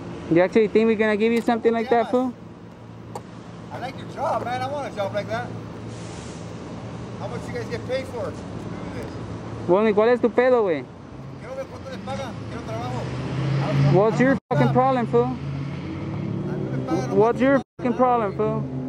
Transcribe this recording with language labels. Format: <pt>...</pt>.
<en>You actually think we're gonna give you something like that, fool? I like your job, man. I want a job like that. How much you guys get paid for to do this?</en> <es>Bueno, ¿cuál es tu pedo, wey? Quiero ver cuánto les pagan. Quiero trabajo.</es> <en>What's your fucking problem, fool? What's your fucking problem, fool?</en>